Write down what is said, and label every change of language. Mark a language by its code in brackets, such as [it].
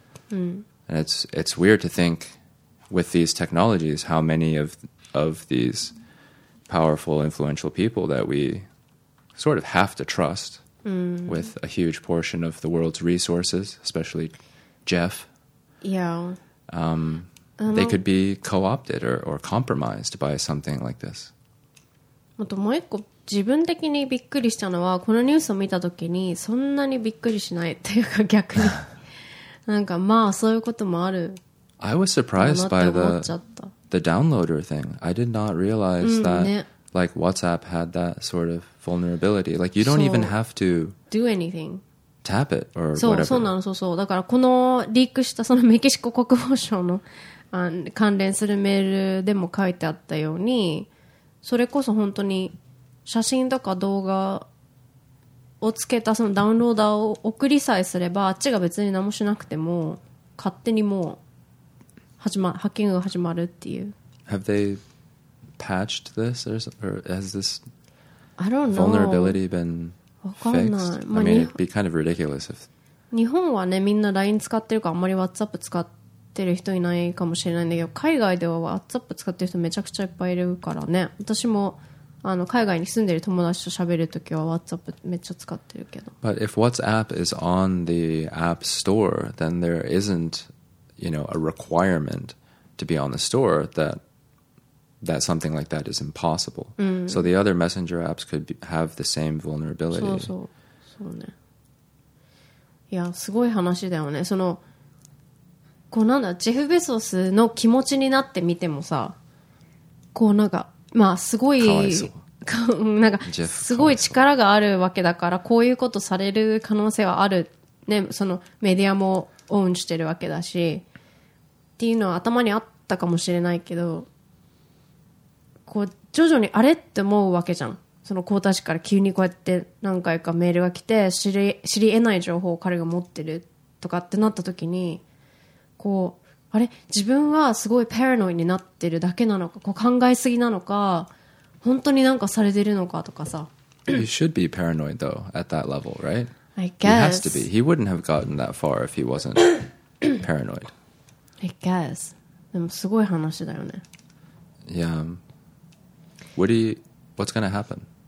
[en] And it's weird to think with these technologies how many of these powerful, influential people that we sort of have to trust with a huge portion of the world's resources, especially Jeff. Yeah. They could be co-opted or compromised by something like this. [ja] あともう一個、自分的にびっくりしたのは、このニュースを見たときにそんなにびっくりしないというか、逆になんかまあそういうこともある。 [en] I was surprised by the downloader thing. I did not realize that like WhatsApp had that sort of vulnerability. Like you don't even have to do anything. Tap it or whatever. [ja] そうなの、そうそう。だからこのリークしたそのメキシコ国防省の関連するメールでも書いてあったように、それこそ本当に写真とか動画をつけたそのダウンローダーを送りさえすれば、あっちが別に何もしなくても勝手にもう始まハッキングが始まるっていう。 [en] Have they patched this or has this vulnerability been fixed? [ja] わかんない。 [en] まあ、I mean, it'd be kind of ridiculous if [ja] 日本はね、みんな LINE 使ってるからあんまり WhatsApp 使ってる人いないかもしれないんだけど、海外では WhatsApp 使ってる人めちゃくちゃいっぱいいるからね。私も海外に住んでる友達と喋るときは WhatsApp めっちゃ使ってるけど。 [en] But if WhatsApp is on the App Store, then there isn't, you know, a requirement to be on the store that, that something like that is impossible.、うん、 so the other messenger apps could be, have the same vulnerability. [ja] そうそう。そうね。いや、すごい話だよね。その、こうなんだ、ジェフ・ベソスの気持ちになってみてもさ、こうなんか、まあすごい、わいそう。なんか、すごい力があるわけだから、こういうことされる可能性はある。ね、そのメディアもオンしてるわけだし、っていうのは頭にあったかもしれないけど、こう、徐々にあれって思うわけじゃん。その皇太子から急にこうやって何回かメールが来て、知り得ない情報を彼が持ってるとかってなった時に、こう、あれ自分はすごいパラノイになってるだけなのか、こう考えすぎなのか、本当になんかされてるのかとかさ。 [en] You should be paranoid though at that level, right? I guess. He has to be. He wouldn't have gotten that far if he wasn't paranoid. I guess. [ja] でもすごい話だよね。 [en] Yeah. What do you, what's gonna happen?